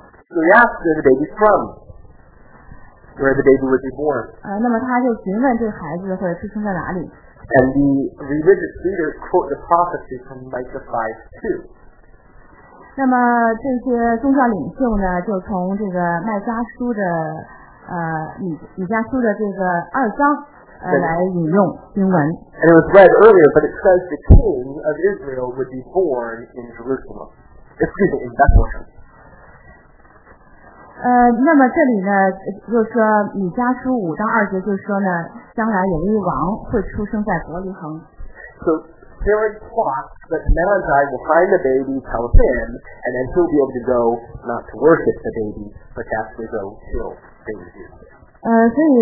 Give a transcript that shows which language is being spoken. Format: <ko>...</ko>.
<en>So he asks where the baby's from. Where the baby would be born.</en> <zh>那么他就询问这个孩子会出生在哪里。</zh> <en>And the religious leaders quote the prophecy from Micah 5:2.</en> <zh>那么这些宗教领袖呢，就从这个麦迦书的这个二章来引用经文。</zh> <en>And it was read earlier, but it says the king of Israel would be born in Jerusalem. Excuse me, in Bethlehem.</en> <zh>那么这里呢，就说米迦书5-2节就说呢，将来有一王会出生在伯利恒。</zh> <en>So Herod plots that Magi will find the baby, tell him, and then he'll be able to go not to worship the baby, but to actually go kill baby.</en>